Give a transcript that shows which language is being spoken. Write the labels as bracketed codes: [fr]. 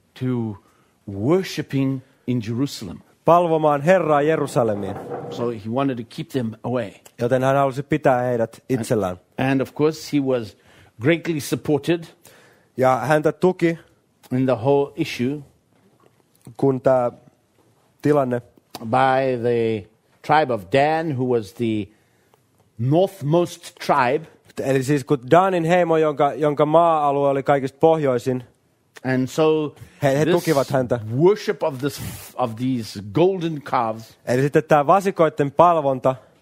[en] to worshiping in Jerusalem. [fi] Palvomaan Herraa Jerusalemiin. [en] So he wanted to keep them away. [fi] Joten hän halusi pitää heidät itsellään. [en] And of course he was greatly supported. [fi] Ja häntä tuki [en] in the whole issue. [fi] Kun tämä tilanne [en] by the tribe of Dan, who was the northmost tribe. [fi] Eli siis kun Danin heimo, jonka maa-alue oli kaikista pohjoisin. [en] And so [fi] he tukivat häntä. [en] Worship of these golden calves. [fi] Eli sitten tämä vasikoiden palvonta